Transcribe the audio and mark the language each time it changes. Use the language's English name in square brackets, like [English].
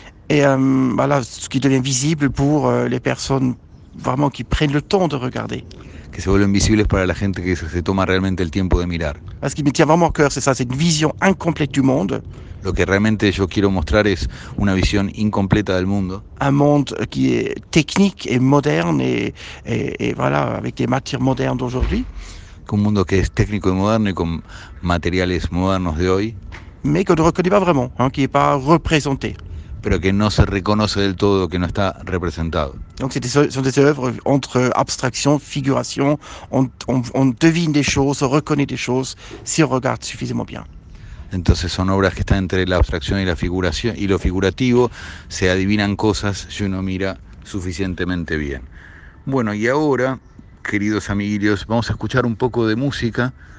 [French] Et voilà ce qui devient visible pour les personnes vraiment qui prennent le temps de regarder. [Spanish] Que se vuelven visibles para la gente que se toma realmente el tiempo de mirar. [French] Ce qui me tient vraiment au cœur, c'est ça, c'est une vision incomplète du monde. [Spanish] Lo que realmente yo quiero mostrar es una visión incompleta del mundo. [French] Un monde qui est technique et moderne et voilà, avec des matières modernes d'aujourd'hui. [Spanish] Un mundo que es técnico y moderno y con materiales modernos de hoy. [French] Mais qu'on ne reconnaît pas vraiment, hein, qui n'est pas représenté. [Spanish] Pero que no se reconoce del todo, que no está representado. [French] Donc ce sont des œuvres entre abstraction, figuration, on devine des choses, on reconnaît des choses si on regarde suffisamment bien. [Spanish] Entonces son obras que están entre la abstracción y la figuración y lo figurativo, se adivinan cosas si uno mira suficientemente bien. Bueno, y ahora, queridos amiguillos, vamos a escuchar un poco de música.